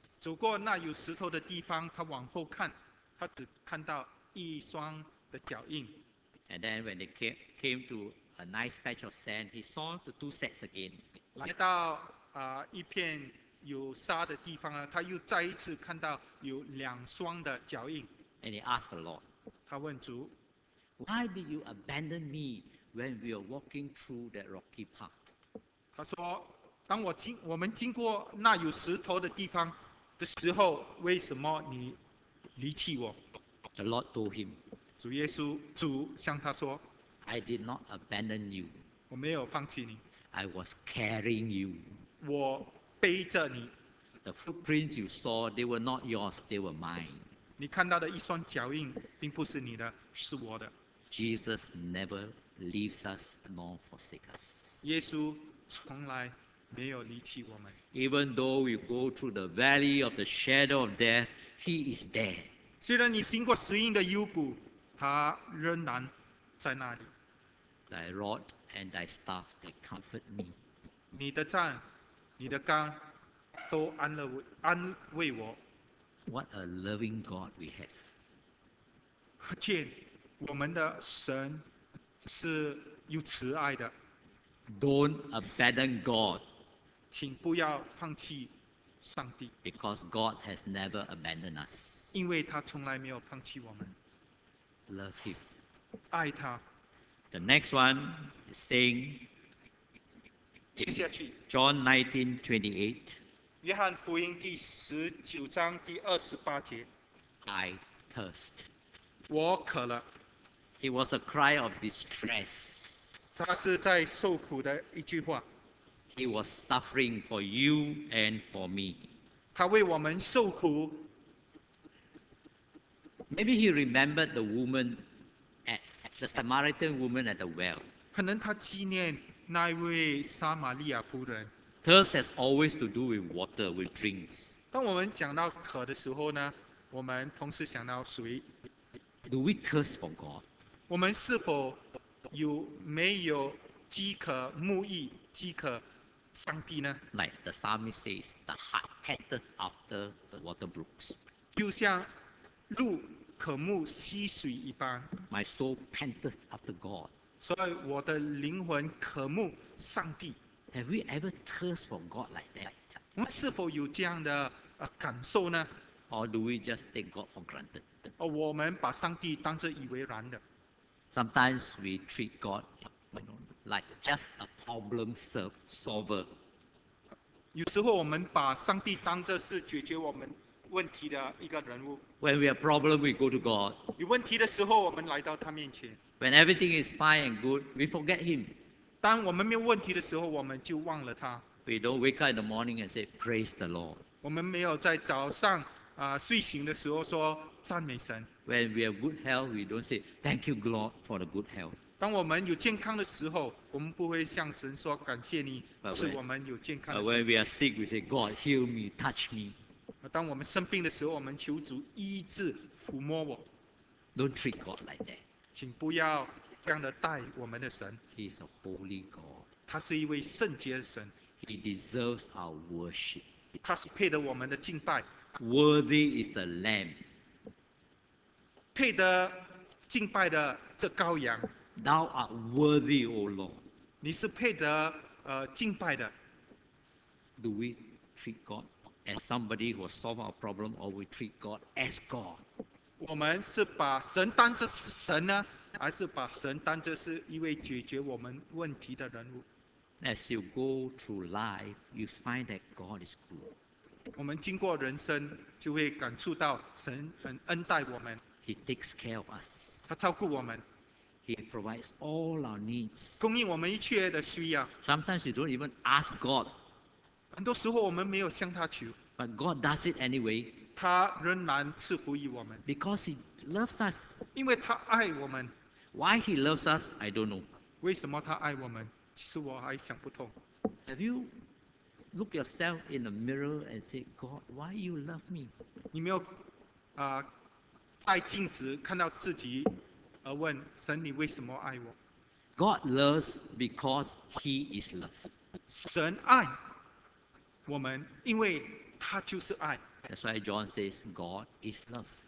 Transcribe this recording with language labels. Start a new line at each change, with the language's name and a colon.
Chinese: 走过那有石头的地方，他往后看，他只看到一双的脚印。
English: And then when they came to a nice patch of sand, he saw the two sets again.
Chinese: 来到一片有沙的地方他又再一次看到有两双的脚印。
English: And he asked the Lord.
Chinese: 他问主
English: ，Why did you abandon me when we were walking through that rocky path?
Chinese: 他说，当我们经过那有石头的地方的时候，为什么你离弃我
English: ？The Lord told him.
Chinese: 主耶稣主向他说
English: ，I did not abandon you.
Chinese: 我没有放弃你。
English: I was carrying you.
Chinese: 我背着你。
English: The footprints you saw, they were not yours, they were mine.
Chinese: 你看到的一双脚印并不是你的，是我的。
English: Jesus never leaves us nor forsake us.
Chinese: 耶稣从来没有离弃我们。
English: Even though we go through the valley of the shadow of death, He is there.
Chinese: 虽然你行过死荫的幽谷，他仍然在那里。
English: Thy rod and thy staff, they comfort me.
Chinese: 你的杖你的肝都安慰我。
English: What a loving God we have.
Chinese: 可见我们的神是有慈爱的。
English: Don't abandon God.
Chinese: 请不要放弃上帝。
English: Because God has never abandoned us.
Chinese: 因为他从来没有放弃我们。
English: Love him.
Chinese: 爱他。
English: The next one is saying,
Chinese: 接下去
English: John 19:28
Chinese: 约翰福音第十九章第二十八节
English: I thirst
Chinese: 我渴了
English: It was a cry of distress
Chinese: 他是在受苦的一句话
English: He was suffering for you and for me
Chinese: 他为我们受苦
English: Maybe he remembered the woman the Samaritan woman at the well
Chinese: 可能他纪念那位撒玛利亚夫人。
English: Thirst has always to do with water, with drinks.
Chinese: 当我们讲到渴的时候呢，我们同时想到水。
English: Do we thirst for God?
Chinese: 我们是否有没有饥渴慕义、饥渴上帝呢
English: ？Like the psalmist says, the heart thirsteth after the water brooks.
Chinese: 就像鹿渴慕溪水一般。
English: My soul panteth after God.
Chinese: 所以我的灵魂渴慕上帝。
English: Have we ever thirst for God like that?
Chinese: 我们是否有这样的感受呢
English: ？Or do we just take God for granted?
Chinese: 我们把上帝当作以为然的。
English: Sometimes we treat God like just a problem solver.
Chinese: 有时候我们把上帝当作是解决我们问题的一个人物。
English: When we have problem, we go to God.
Chinese: 有问题的时候，我们来到他面前。
English: When everything is fine and good, we forget him.
Chinese: 当我们没有问题的时候，我们就忘了他。
English: We don't wake up in the morning and say, "Praise the Lord."
Chinese: 我们没有在早上睡醒的时候说赞美神。
English: When we have good health, we don't say, "Thank you, Lord, for the good health."
Chinese: 当我们有健康的时候，我们不会向神说感谢你赐我们有健康的身体。
English: When we are sick, we say, "God, heal me, touch me."
Chinese: 当我们生病的时候，我们求主医治抚摸我。
English: Don't treat God like that.
Chinese: 请不要这样的待我们的神。
English: He is a holy God.
Chinese: 他是一位圣洁的神。
English: He deserves our worship.
Chinese: 他是配得我们的敬拜。
English: Worthy is the Lamb.
Chinese: 配得敬拜的这羔羊。
English: Thou art worthy, O Lord.
Chinese: 你是配得敬拜的。
English: Do we treat God as somebody who will solve our problem, or we treat God as God?
Chinese: 我们是把神当作是神呢，还是把神当作是一位解决我们问题的人物
English: As you go through life, you find that God is good.
Chinese: 我们经过人生，就会感触到神很恩待我们。
English: He takes care of us.
Chinese: 他照顾我们。
English: He provides all our needs.
Chinese: 供应我们一切的需要。
English: Sometimes we don't even ask God.
Chinese: 很多时候我们没有向他求。
English: But God does it anyway.
Chinese: 他仍然赐福于我们。
English: Because He loves us.
Chinese: 因为他爱我们。
English: Why He loves us, I don't know.
Chinese: 为什么他爱我们？其实我还想不通。
English: Have you looked yourself in the mirror and said, God, why you love me?
Chinese: 你没有在镜子看到自己而问神，你为什么爱我？
English: God loves because He is love.
Chinese: 神爱我们，因为他就是爱。
English: That's why John says God is love.